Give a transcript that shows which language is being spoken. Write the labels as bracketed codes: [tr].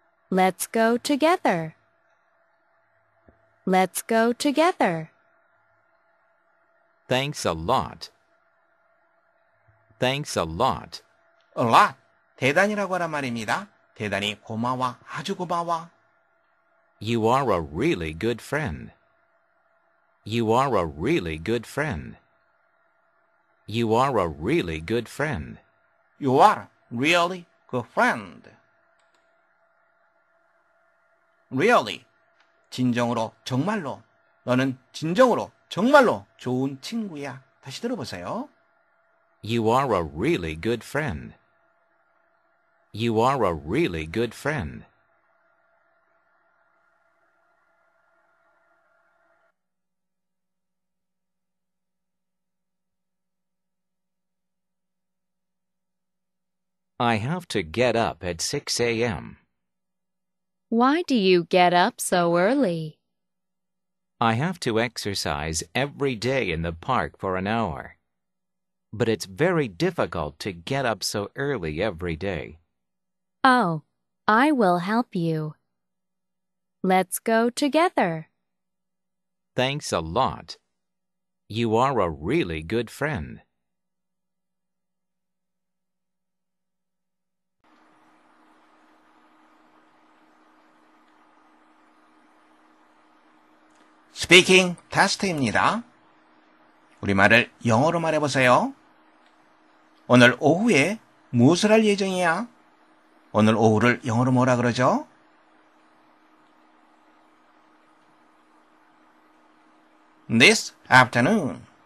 [en] Let's go together. Let's go together. Thanks a lot. Thanks a lot. A lot, [ko] 대단이라고 하는 말입니다. 대단히 고마워, 아주 고마워. [en] You are a really good friend. You are a really good friend. You are a really good friend. You are really good friend. [ko] Really, 진정으로, 정말로. 너는 진정으로, 정말로 좋은 친구야. 다시 들어보세요. [en] You are a really good friend. You are a really good friend. I have to get up at 6 a.m. Why do you get up so early? I have to exercise every day in the park for an hour. But it's very difficult to get up so early every day. Oh, I will help you. Let's go together. Thanks a lot. You are a really good friend. [ko] Speaking test입니다. 우리말을 영어로 말해보세요. 오늘 오후에 무엇을 할 예정이야? 오늘 오후를 영어로 뭐라 그러죠? [en] This afternoon.